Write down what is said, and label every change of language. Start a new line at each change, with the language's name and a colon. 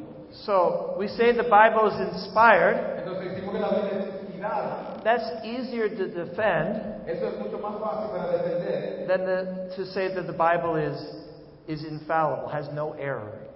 English: So we say the Bible is inspired.
Spanish: Entonces, decimos que la Biblia es inspirada.
English: That's easier to defend.
Spanish: Eso es mucho más fácil para defender.
English: Than the, to say that the Bible is infallible, has no error.